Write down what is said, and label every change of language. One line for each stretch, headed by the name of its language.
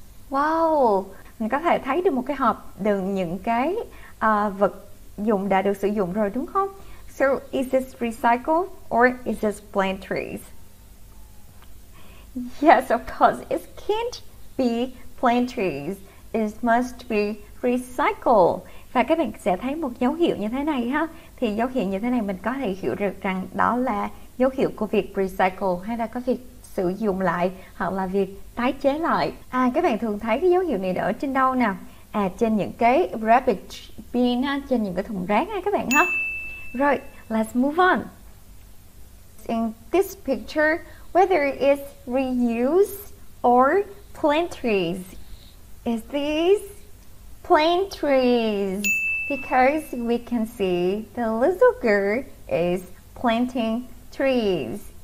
Vietnamese: Wow, mình có thể thấy được một cái hộp đựng những cái vật dụng đã được sử dụng rồi đúng không?
English: So is this recycle or is this plant trees? Yes, of course, it can't be plant trees. It must be recycled.
Vietnamese: Và các bạn sẽ thấy một dấu hiệu như thế này ha. Thì dấu hiệu như thế này mình có thể hiểu được rằng đó là dấu hiệu của việc recycle, hay là có việc sử dụng lại hoặc là việc tái chế lại. À, các bạn thường thấy cái dấu hiệu này ở trên đâu nào? À, trên những cái rubbish bin, trên những cái thùng rác các bạn ha.
English: Rồi, let's move on. In this picture, whether it's reuse or plant trees, is these plant trees, because we can see the little girl is planting trees.